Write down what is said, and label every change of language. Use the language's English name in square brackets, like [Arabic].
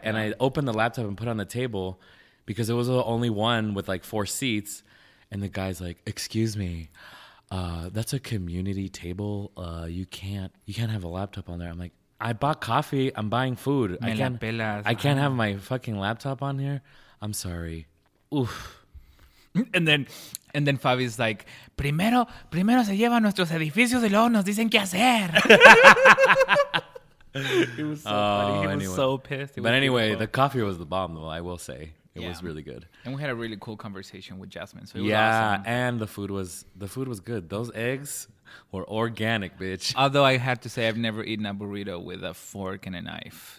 [English] And I opened the laptop and put it on the table because it was the only one with like four seats. And the guy's like, excuse me, that's a community table. You can't have a laptop on there. I'm like, I bought coffee. I'm buying food. I can't have my fucking laptop on here. I'm sorry. Oof. And then Fabi's like, [Spanish] primero se llevan nuestros edificios y luego nos dicen qué hacer. [English] He was so pissed. But anyway, the coffee was the bomb, though, I will say. It was really good. And we had a really cool conversation with Jasmine. So it was awesome. And the food was good. Those eggs were organic, bitch. Although I have to say, I've never eaten a burrito with a fork and a knife.